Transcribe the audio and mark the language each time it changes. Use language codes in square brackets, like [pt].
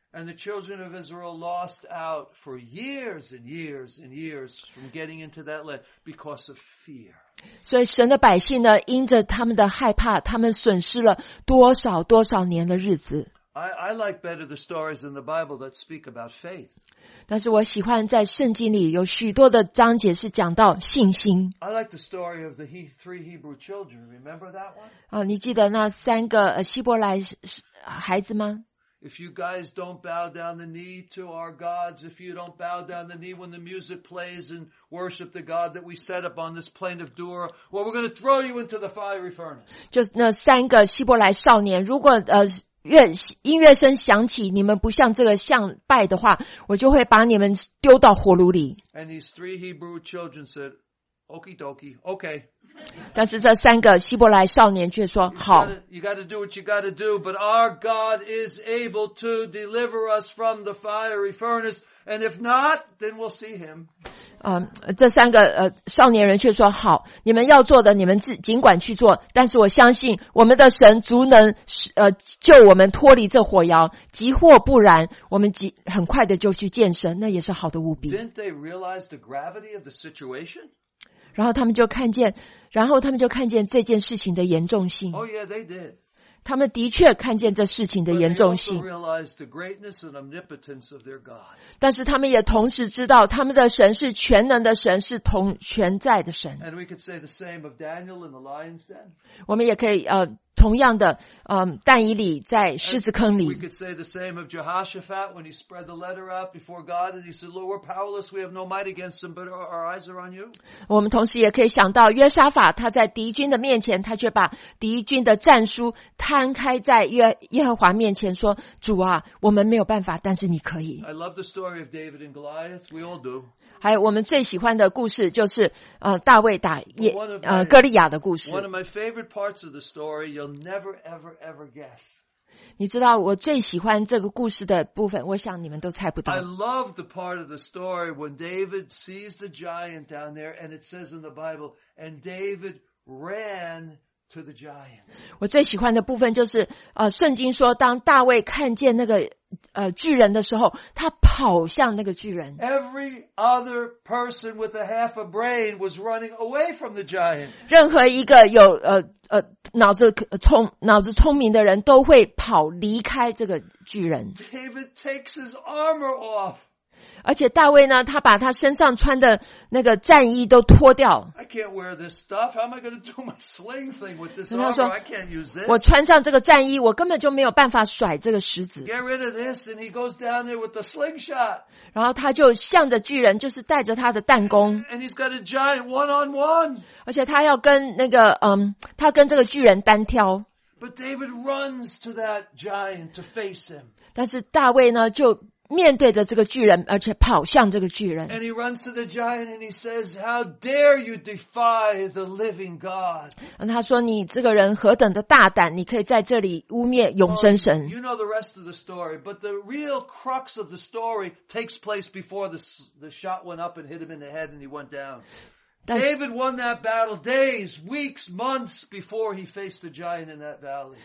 [en] And the children of Israel lost out for years and years and years from getting into that land because of fear. [zh] 所以神的百姓呢，因着他们的害怕，他们损失了多少多少年的日子。 [en] I like better the stories in the Bible that speak about faith. [zh] 但是我喜欢在圣经里有许多的章节是讲到信心。 [en] I like the story of the three Hebrew children. Remember that one? [zh] 你记得那三个希伯来孩子吗？ [en] If you guys don't bow down the knee to our gods, if you don't bow down the knee when the music plays and worship the God that we set up on this plain of Dura, well, we're going to throw you into the fiery furnace. [zh] 就那三个希伯来少年，如果音乐声响起，你们不像这个像拜的话，我就会把你们丢到火炉里。 [en] And these three Hebrew children said, "Okie dokie, okay." [zh] 但是这三个希伯来少年却说好。 [en] You got to do what you got to do, but our God is able to deliver us from the fiery furnace, and if not, then we'll see Him. [zh] 这三个少年人却说好，你们要做的你们尽管去做，但是我相信我们的神足能救我们脱离这火窑，即或不然，我们很快的就去见神，那也是好的无比。 [en] Didn't they realize the gravity of the situation? [zh] 然后他们就看见这件事情的严重性。 [en] Oh yeah, they did. [zh] 他们的确看见这事情的严重性。 [en] But they also realized the greatness and omnipotence of their God. [zh] 但是他们也同时知道他们的神是全能的神，是同全在的神。 [en] And we could say the same of Daniel in the lion's den. [zh] 我们也可以同样的但以理在狮子坑里。 [en] We could say the same of Jehoshaphat when he spread the letter out before God and he said, Lord, we're powerless, we have no might against them, but our eyes are on you. [zh] 我们同时也可以想到约沙法，他在敌军的面前，他却把敌军的战书摊开在耶和华面前说，主啊，我们没有办法，但是你可以。 [en] I love the story of David and Goliath, we all do. [zh] 还有我们最喜欢的故事就是大卫打哥利亚的故事。 [en] One of my favorite parts of the story,You'll never, ever, ever guess. [zh] 你知道我最喜欢这个故事的部分，我想你们都猜不到。 [en] I love the part of the story when David sees the giant down there, and it says in the Bible, and David ran to the giant. [zh] 我最喜欢的部分就是圣经说，当大卫看见那个巨人的时候，他跑向那个巨人。 [en] Every other person with a half a brain was running away from the giant. [zh] 任何一个有脑子聪明的人都会跑离开这个巨人。 [en] David takes his armor off. [zh] 而且大卫呢，他把他身上穿的那个战衣都脱掉。 [en] I can't wear this stuff. How am I going to do my sling thing with this armor? I can't use this. [zh] 我穿上这个战衣，我根本就没有办法甩这个石子。 [en] Get rid of this, and he goes down there with the slingshot. [zh] 然后他就向着巨人，就是带着他的弹弓。 [en] And he's got a giant one-on-one. [zh] 而且他要跟那个他跟这个巨人单挑。 [en] But David runs to that giant to face him. [zh] 但是大卫呢就面对着这个巨人，而且跑向这个巨人。 [en] And he runs to the giant and he says, "How dare you defy the living God?" [zh] 他说：“你这个人何等的大胆，你可以在这里污蔑永生神。 [en] ”You know the rest of the story, but the real crux of the story takes place before the shot went up and hit him in the head and he went down. David won that battle days, weeks, months before he faced the giant in that valley.